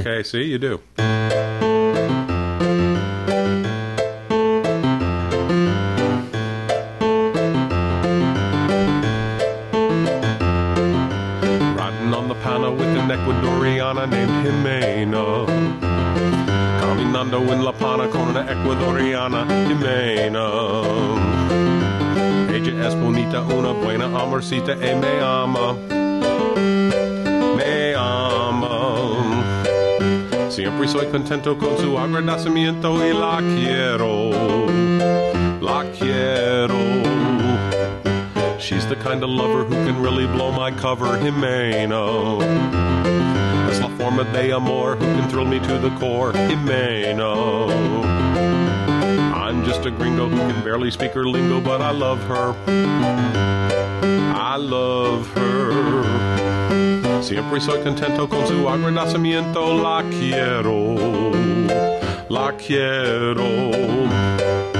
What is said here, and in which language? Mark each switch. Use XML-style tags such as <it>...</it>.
<en>Okay, see, you do. Thank you. sitting on the panel with an Ecuadoriana named Jimena.</en> <es>Caminando en la pana con una Ecuadoriana Jimena. Ella es bonita, una buena amorcita, y me ama. Me ama. Siempre soy contento con su agradecimiento y la quiero. La quiero.</es> <en>She's the kind of lover who can really blow my cover, Jimena.</en> <es>Es la forma de amor</es> <en>who can thrill me to the core, Jimena. I'm just a gringo who can barely speak her lingo, but I love her. I love her.</en> <es>Siempre soy contento con su agradecimiento. La quiero. La quiero.</es>